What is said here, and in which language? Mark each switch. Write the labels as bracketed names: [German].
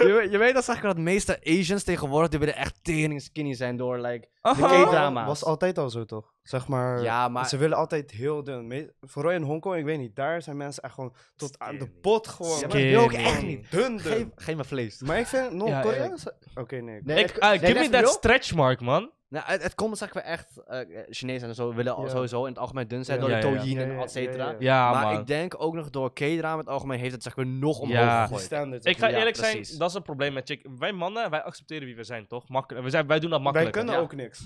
[Dutch] Je weet dat, zeg ik, dat de meeste Asians tegenwoordig... Die willen echt tering skinny zijn door, de K-drama. Was altijd al zo, toch? Zeg maar... Ja, maar... Ze willen altijd heel dun. Vooral in Hongkong, ik weet niet. Daar zijn mensen echt gewoon tot aan de bot gewoon. Ja, maar ook echt niet dun. Geef me vlees. Maar ik vind... Nog Koreaans... Oké, nee. [English] Give me that stretch mark, man. [Dutch] Nou, het komt, zeg maar, echt... Chinezen en zo willen sowieso in het algemeen dun zijn... door de toyin en et cetera. Ja, maar ik denk ook nog door K-drama in het algemeen... heeft het, zeg maar, nog omhoog gegooid. [English] Standard. [Dutch] Ik ga eerlijk zijn, precies. Dat is een probleem met chick. Wij mannen, wij accepteren wie we zijn, toch? Wij doen dat makkelijk. Wij kunnen ook niks.